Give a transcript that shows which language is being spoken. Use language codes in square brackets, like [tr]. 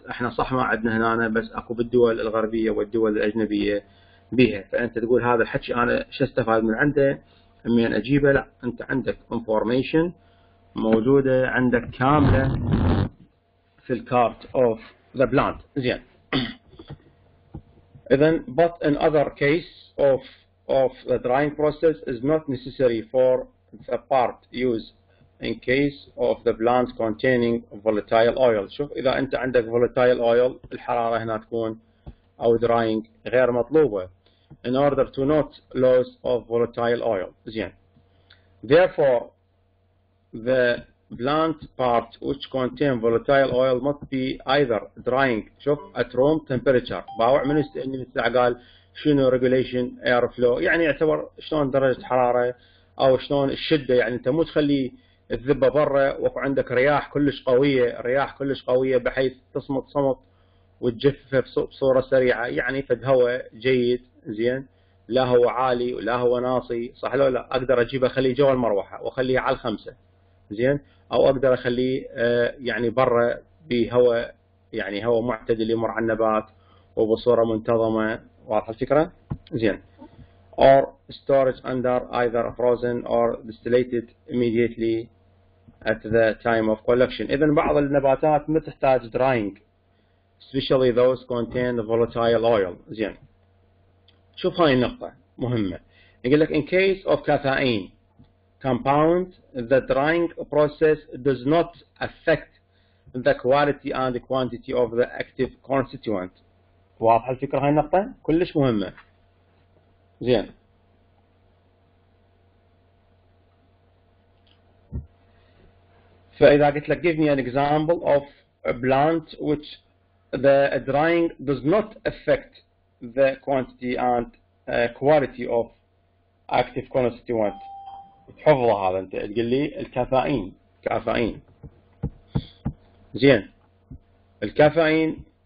[ar] احنا صح ما عندنا هنا بس اكو بالدول الغربية والدول الاجنبية بيها، فانت تقول هذا الحكي انا شو استفاد من عنده من اجيبه؟ لا، انت عندك انفورميشن موجودة عندك كاملة في [en] الكارت of the plant. [ar] زين [en] Then, but in other case of the drying process is not necessary for the part use in case of the plant containing volatile oil. [ar] شوف إذا أنت عندك volatile oil الحرارة هنا تكون أو drying غير مطلوبة. [en] In order to not loss of volatile oil. [ar] زين. [en] Therefore, the plant part which contain volatile oil must be either drying شوف at room temperature. [ar] باوع من استأني مستعقال شنو [en] regulation air flow [ar] يعني يعتبر شلون درجة حرارة أو شلون الشدة يعني أنت مو تخلي الذبة برا وقعندك عندك رياح كلش قوية رياح كلش قوية بحيث تصمت صمت وتجفف بصورة سريعة يعني فد هواء جيد زين لا هو عالي ولا هو ناصي صح لو لا أقدر أجيبه أخليه جوا المروحة وأخليه على الخمسة زين أو أقدر أخليه يعني برا بهواء يعني هواء معتدل يمر على النبات وبصورة منتظمة واضحة الفكرة زين [en] or storage under either frozen or distillated immediately at the time of collection. [ar] إذن بعض النباتات ما تحتاج [en] drying especially those contain volatile oil. [ar] زين. شوف هاي النقطة مهمة. يقول لك [en] in case of cathain compound the drying process does not affect the quality and the quantity of the active constituent. [ar] واضحة الفكرة هاي النقطة؟ كلش مهمة. زين. فإذا قلت لك [en] give me an example of a plant which the drying does not affect the quantity and quality of active constituent [ar] تحفظ هذا انت تقول لي الكافئين كافئين زين الكافئين